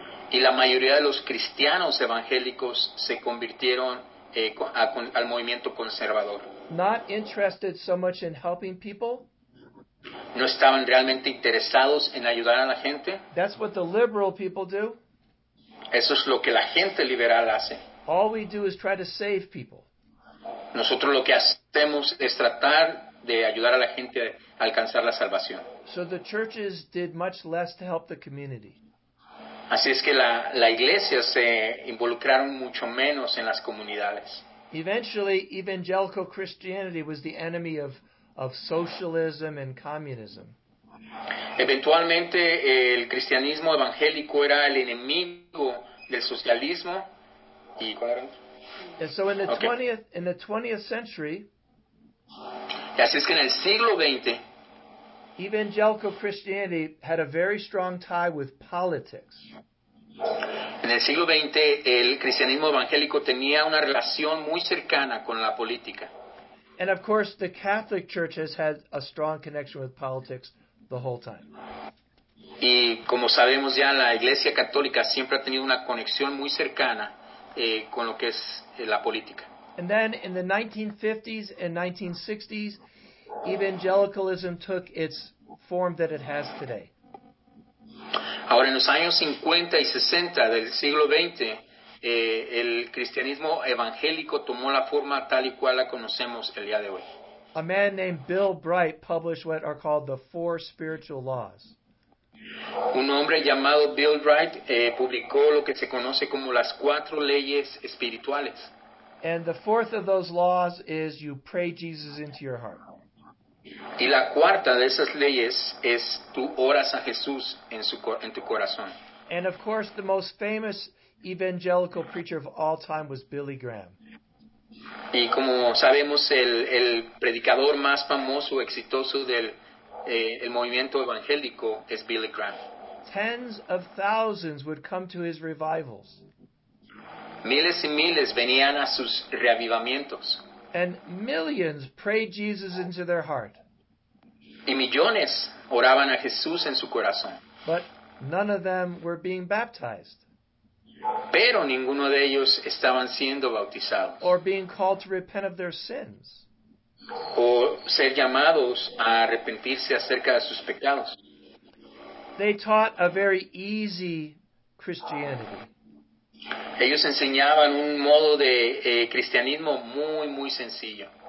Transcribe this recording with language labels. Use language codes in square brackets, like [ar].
[es] Y la mayoría de los cristianos evangélicos se convirtieron al movimiento conservador. [en] Not interested so much in helping people. [es] No estaban realmente interesados en ayudar a la gente. [en] That's what the liberal people do. [es] Eso es lo que la gente liberal hace. [en] All we do is try to save people. [es] Nosotros lo que hacemos es tratar de ayudar a la gente a alcanzar la salvación. [en] So the churches did much less to help the community. [es] Así es que la iglesia se involucraron mucho menos en las comunidades. [en] Eventually, evangelical Christianity was the enemy of socialism and communism. [es] Eventualmente, el cristianismo evangélico era el enemigo del socialismo. [en] And so in the 20th century, [es] y así es que en el siglo 20, [en] evangelical Christianity had a very strong tie with politics. [es] En el siglo 20, el cristianismo evangélico tenía una relación muy cercana con la política. [en] And of course, the Catholic Church has had a strong connection with politics the whole time. [es] Y como sabemos ya, la Iglesia Católica siempre ha tenido una conexión muy cercana con lo que es la política. [en] And then in the 1950s and 1960s, evangelicalism took its form that it has today. [es] Ahora, en los años 50 y 60 del siglo 20, el cristianismo evangélico tomó la forma tal y cual la conocemos el día de hoy. [en] A man named Bill Bright published what are called the Four Spiritual Laws. [es] Un hombre llamado Bill Bright publicó lo que se conoce como las cuatro leyes espirituales. [en] And the fourth of those laws is you pray Jesus into your heart. [es] Y la cuarta de esas leyes es tú oras a Jesús en tu corazón. [en] And of course the most famous evangelical preacher of all time was Billy Graham. [es] Y como sabemos, el predicador más famoso, exitoso del el movimiento evangélico es Billy Graham. [en] Tens of thousands would come to his revivals. [es] miles y miles venían a sus reavivamientos. [en] And millions prayed Jesus into their heart. [es] Y millones oraban a Jesús en su corazón. [en] But none of them were being baptized. [es] Pero ninguno de ellos estaban siendo bautizados. [en] Or being called to repent of their sins. [es] O ser llamados a arrepentirse acerca de sus pecados. [en] They taught a very easy Christianity. [es] Ellos enseñaban un modo de cristianismo muy, muy sencillo.